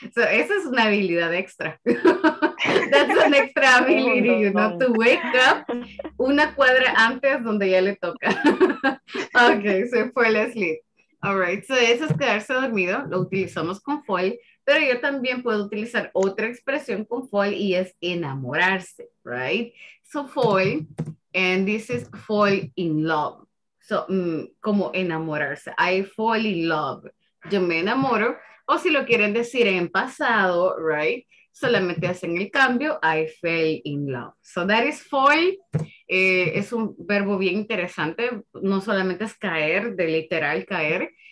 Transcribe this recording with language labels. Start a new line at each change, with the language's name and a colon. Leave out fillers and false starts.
Spanish: So, esa es una habilidad extra.
English: That's an extra ability, you know, to wake up
Spanish: una cuadra antes donde ya le toca. Ok, se fue el sleep. All right, so eso es quedarse dormido. Lo utilizamos con fall. Pero yo también puedo utilizar otra expresión con fall y es enamorarse, right?
English: So fall, and this is fall in love.
Spanish: So, como enamorarse.
English: I fall in love.
Spanish: Yo me enamoro. O si lo quieren decir en pasado, right? Solamente hacen el cambio.
English: I fell in love. So that is fall.
Spanish: Es un verbo bien interesante. No solamente es caer, de literal caer.